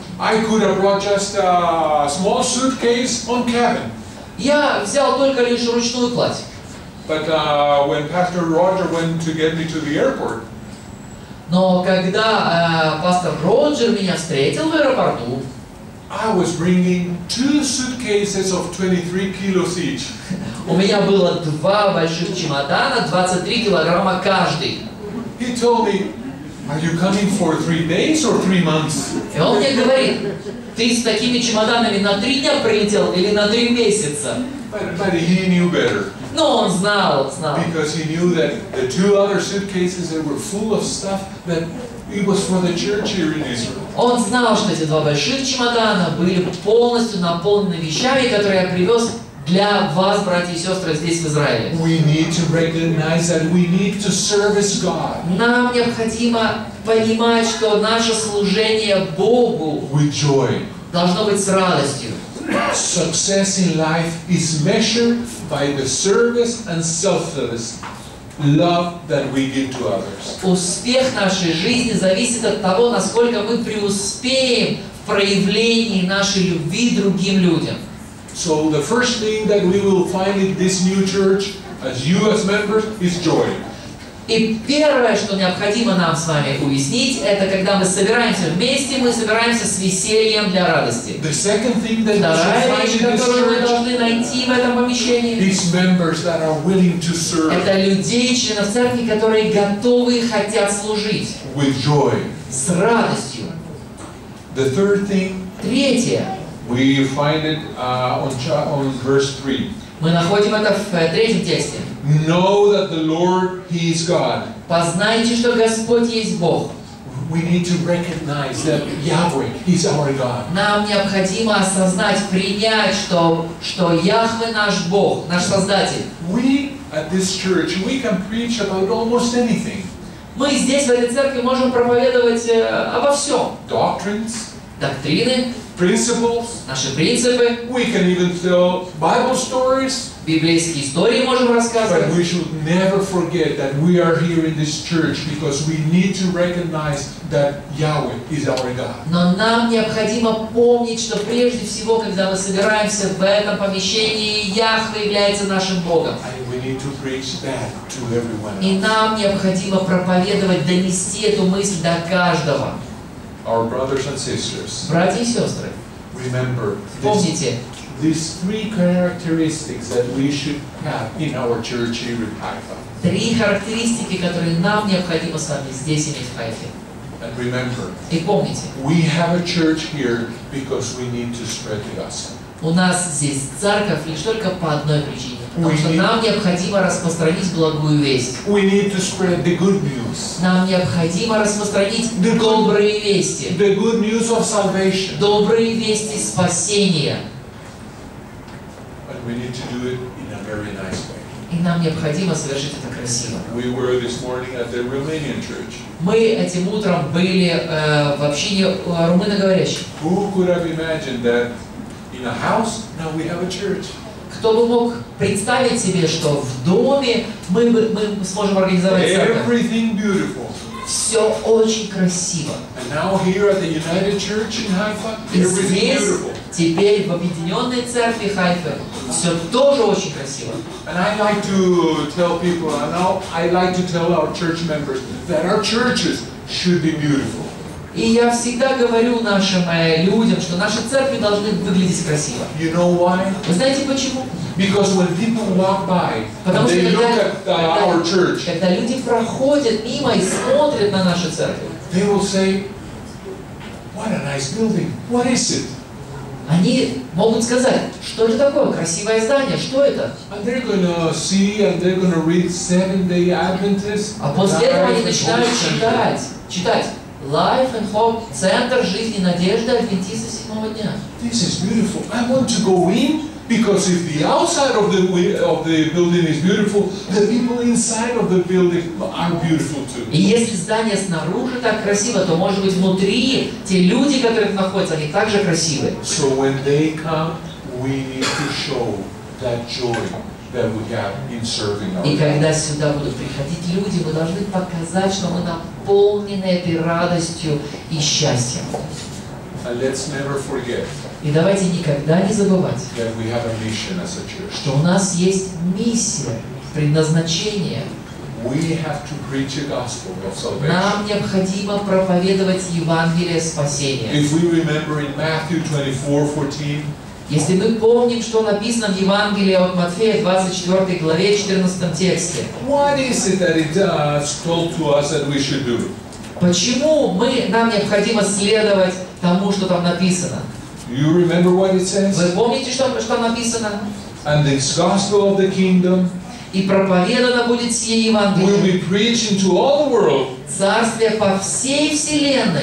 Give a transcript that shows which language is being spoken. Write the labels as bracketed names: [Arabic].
[English] I could have brought just a small suitcase on cabin. [Russian] Я взял только лишь ручную кладь. [English] But when Pastor Roger went to get me to the airport, [Russian] но когда пастор Роджер меня встретил в аэропорту, [English] I was bringing two suitcases of 23 kilos each. [Russian] У меня было два больших чемодана, 23 килограмма каждый. [English] He told me, are you coming for 3 days or 3 months? [Russian] И он мне говорит, ты с такими чемоданами на 3 дня прилетел или на 3 месяца? [English] But he knew better. [Russian] Но он знал, знал. [English] Because he knew that the two other suitcases that were full of stuff that it was for the church here in Israel. [Russian] Он знал, что эти два больших чемодана были полностью наполнены вещами, которые я привез для вас, братья и сестры, здесь в Израиле. [English] We need to recognize that we need to service God. [Russian] Нам необходимо понимать, что наше служение Богу [English] with joy [Russian] должно быть с радостью. [English] Success in life is measured by the service and selfless love that we give to others. [Russian] Успех нашей жизни зависит от того, насколько мы преуспеем в проявлении нашей любви другим людям. [English] So the first thing that we will find in this new church, as you as members, is joy. [Russian] И первое, что необходимо нам с вами уяснить, это когда мы собираемся вместе, мы собираемся с весельем для радости. [English] The second thing that [Russian] вторая вещь, которую мы должны найти в этом помещении, [English] these members that are willing to serve, [Russian] это людей, членов церкви, которые готовы и хотят служить [English] with joy, [Russian] с радостью. [English] The third thing, [Russian] третье, [English] we find it on verse 3. [Russian] Мы находим это в третьем тексте. [English] Know that the Lord, He is God. [Russian] Познайте, что Господь есть Бог. [English] We need to recognize that Yahweh is our God. [Russian] Нам необходимо осознать, принять, что Яхве наш Бог, наш Создатель. [English] We at this church, we can preach about almost anything. [Russian] Мы здесь, в этой церкви, можем проповедовать обо всем. [English] Doctrines. [Russian] Доктрины. [English] Principles. [Russian] Наши принципы. [English] We can even tell Bible stories. [Russian] Библейские истории можем рассказывать. [English] But we should never forget that we are here in this church because we need to recognize that Yahweh is our God. [Russian] Но нам необходимо помнить, что прежде всего, когда мы собираемся в этом помещении, Яхве является нашим Богом. [English] And we need to preach that to everyone. [Russian] И нам необходимо проповедовать, донести эту мысль до каждого. [English] Our brothers and sisters, [Russian] братья и сестры, [English] remember, [Russian] помните, [English] these three characteristics that we should have in our church here in Haifa. [Russian] Три характеристики, которые нам необходимо с вами здесь иметь в Хайфе. [English] And remember, [Russian] и помните, [English] we have a church here because we need to spread the gospel. [Russian] У нас здесь церковь лишь только по одной причине. Потому что нам необходимо распространить благую весть. [English] We need to spread the good news. [Russian] Нам необходимо распространить добрые вести. [English] The good news of salvation. [Russian] Добрые вести спасения. [English] But we need to do it in a very nice way. [Russian] И нам необходимо совершить это красиво. [English] We were this morning at the Romanian church. [Russian] Мы этим утром были в общине румыноговорящих. [English] Who could have imagined that in a house now we have a church? [Russian] Кто бы мог представить себе, что в доме мы сможем организовать церковь? [English] Everything beautiful. [Russian] Все очень красиво. [English] And now here at the United Church in Haifa, everything beautiful. [Russian] Теперь в Объединенной Церкви Хайфа все тоже очень красиво. [English] And I like to tell people, and now I like to tell our church members that our churches should be beautiful. [Russian] И я всегда говорю нашим людям, что наши церкви должны выглядеть красиво. [English] You know why? [Russian] Вы знаете почему? [English] Because when people walk by, [Russian] потому [English] they [Russian] что [English] look [Russian] когда, [English] at the, our church, [Russian] когда люди проходят мимо и смотрят на нашу церковь, [English] they will say, what a nice building. What is it? [Russian] Они могут сказать, что это такое, красивое здание, что это? [English] And they're gonna see and they're gonna read Seventh-day Adventist. [Russian] А после этого они начинают читать. Life and Hope, Центр жизни и надежды Адвентиста седьмого дня. [English] This is beautiful. I want to go in because if the outside of the building is beautiful, the people inside of the building are beautiful too. [Russian] И если здание снаружи так красиво, то может быть внутри те люди, которые находятся, они также красивы. [English] So when they come, we need to show that joy that we have in serving our [Russian] И когда сюда будут приходить люди, мы должны показать, что мы наполнены этой радостью и счастьем. [English] And let's never forget. [Russian] И давайте никогда не забывать, [English] that we have a mission as a church. [Russian] Что у нас есть миссия, предназначение. [English] We have to preach a gospel of salvation. [Russian] Нам необходимо проповедовать Евангелие спасения. [English] If we remember in Matthew 24:14. [Russian] Если мы помним, что написано в Евангелии от Матфея, 24 главе, 14 тексте. [English] What is it that it told to us that we should do? [Russian] Почему нам необходимо следовать тому, что там написано? [English] You remember what it says? [Russian] Вы помните, что написано? [English] And this gospel of the kingdom. [Russian] И проповедано будет сие Евангелие. [English] Will be preaching to all the world. [Russian] Царствие по всей вселенной.